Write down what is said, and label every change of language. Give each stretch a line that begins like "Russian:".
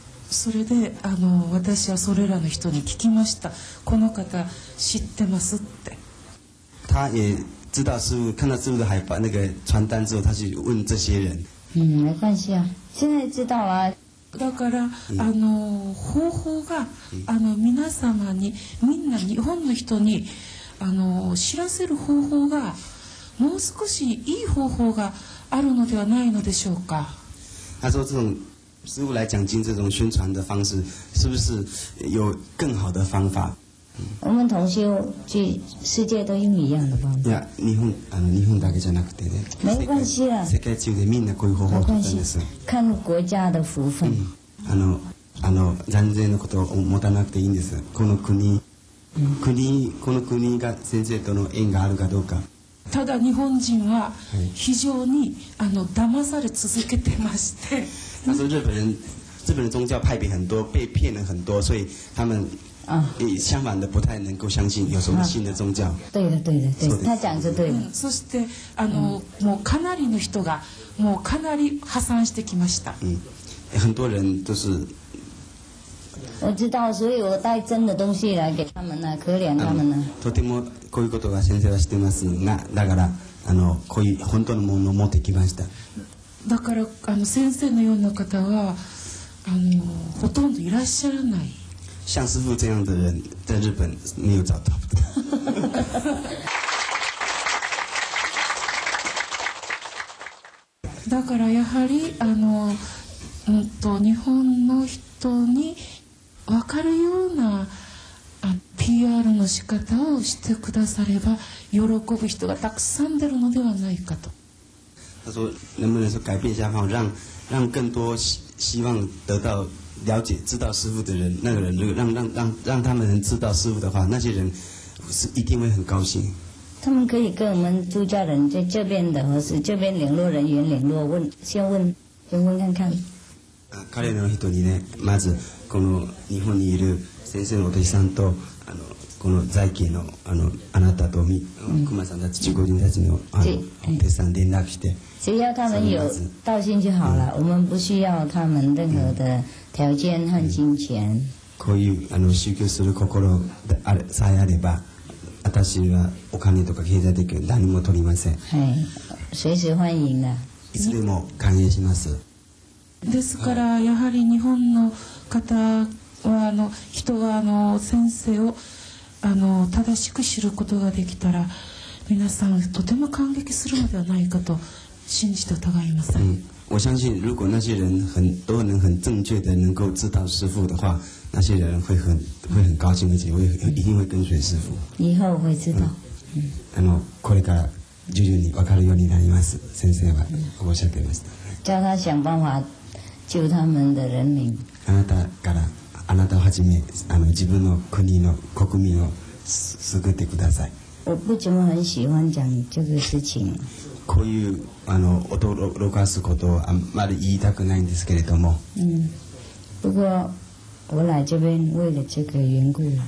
Japanese: それで私はそれらの人に聞きました。この方知ってますって。
Chinese: 他也知道师父，看到师父的海报那个传单之后，他去问这些人。嗯，没关系啊，现在知道啊。
Japanese: だから、方法が、皆様に、みんな日本の人に、知らせる方法が、もう少しいい方法があるのではないのでしょうか。
Chinese: 他说这种师父来讲经这种宣传的方式，是不是有更好的方法？我们同修去世界都用一样的方法。
Japanese: Yeah, 日本だけじゃなくてね。
Chinese: 没关系啦。
Japanese: 世界中でみんなこういう方法を取ったんです。
Chinese: 看国家的福分。嗯、
Japanese: 残念のことを持たなくていいんです。この国、嗯、この国が先生との縁があるかどうか。ただ日本人は非常に、はい、騙され続けてまして。
Chinese: 他说日本人宗教派别很多，被骗了很多，所以他们。相反的不太能够相信有什么新的宗教。对的对的对的，他讲是对的。
Japanese: そしてもうかなりの人がもうかなり破産してきました。
Chinese: 嗯，很多人都是。我知道，所以我带真的东西来给他们呢，可怜他们呢。
Japanese: とてもこういうことが先生はしてますが、だからあのこういう本当のものを持ってきました。だからあの先生のような方はあのほとんどいらっしゃらない。
Chinese: 像师傅这样的人在日本没有找到。
Japanese: だからやはりあの日本の人に分かるようなあ PR の仕方をしてくだされば喜ぶ人がたくさん出るのではないかと。
Chinese: 他说能不能说改变一下方法，让更多希望得到了解知道师父的人，那个人如果让他们能知道师父的话，那些人是一定会很高兴。他们可以跟我们住家人在这边的，或是这边联络人员联络，问先问先问看看。
Japanese: 彼の人にね、まずこの日本にいる先生のお弟子さんと、あのこの在京の、あの、あなたと熊さんたち、中国人たちの、あの、お弟子さんに連絡して。
Chinese: 只要他们有道心就好了，我们不需要他们任何的条件和金钱。
Japanese: こういうあの宗教する心であれさえあれば、私はお金とか経済的に何も取りません。はい、
Chinese: 随時欢迎的。
Japanese: いつでも歓迎します。ですからやはり日本の方はあの人はあの先生をあの正しく知ることができたら皆さんとても感激するのではないかと信じて疑います。
Chinese: 嗯，我相信如果那些人很都能很正确的能够知道师父的话，那些人会很高兴，而且会一定会跟随师父。以后会知道。
Japanese: あのこれから徐々に分かるようになります。先生はおっしゃっていました。
Chinese: 叫他想办法救他们的人民。
Japanese: あなたからあなたをはじめあの自分の国の国民を救ってください。
Chinese: 我不怎么很喜欢讲这个事情。
Japanese: こういうあの驚かすことをあんまり言いたくないんですけれども。
Chinese: 嗯，不过我来这边为了这个缘故。